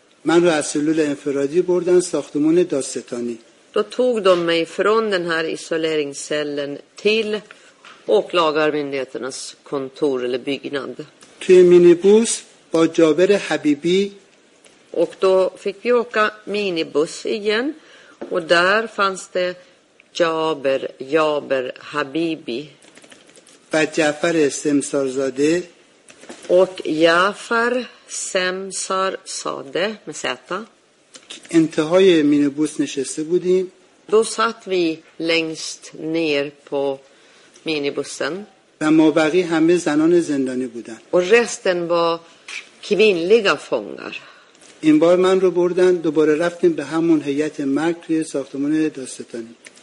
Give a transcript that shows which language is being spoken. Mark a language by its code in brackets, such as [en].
[fa] من رو از سلول انفرادی بردن ساختمون داستانی. [sv] Då tog de mig från den här isoleringscellen till åklagarmyndigheternas kontor eller byggnad. [fa] توی مینیبوس با جابر حبیبی. [sv] Och då fick vi åka minibuss igen. Och där fanns det Jaber Habibi. [fa] و جعفر سمسارزاده. [sv] Och Jafar Semsar Sade med zeta. [fa] انتهای مینیبوس نشسته بودیم. [sv] Då satt vi längst ner på minibussen. [fa] و مابقی همه زنان زندانی بودن. [sv] Och resten var kvinnliga fångar. [fa] این بار من رو بردن دوباره رفتیم به همون هیئت مرگ توی ساختمان داستانی.